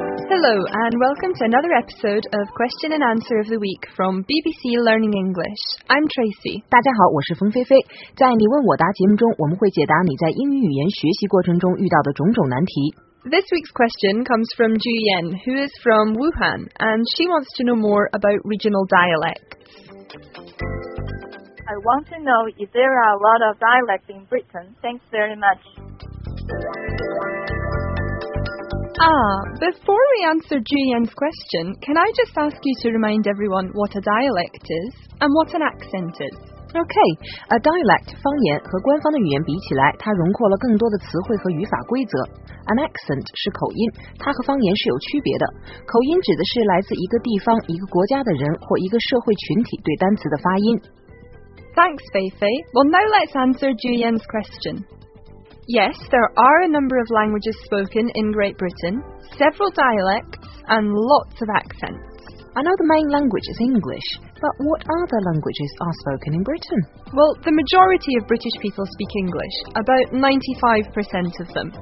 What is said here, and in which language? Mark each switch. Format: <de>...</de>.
<en>Hello and welcome to another episode of Question and Answer of the Week from BBC Learning English. I'm Tracy.</en> <zh>大家好，我是冯菲菲。在你问我答节目中，我们会解答你在英语语言学习过程中遇到的种种难题。</zh> <en>This week's question comes from Ju Yen, who is from Wuhan, and she wants to know more about regional dialects. I want to know if there are a lot of dialects in Britain. Thanks very much. Before we answer Julian's question, can I just ask you to remind everyone what a dialect is and what an accent is? Okay, a dialect,</en> <zh>方言和官方的语言比起来，它容括了更多的词汇和语法规则。</zh> <en>An accent</en> <zh>是口音，它和方言是有区别的。口音指的是来自一个地方、一个国家的人或一个社会群体对单词的发音。</zh> <en>Thanks, Feifei. Well, now let's answer Julian's question. Yes, there are a number of languages spoken in Great Britain, several dialects, and lots of accents. I know the main language is English, but what other languages are spoken in Britain? Well, the majority of British people speak English, about 95% of them.</en>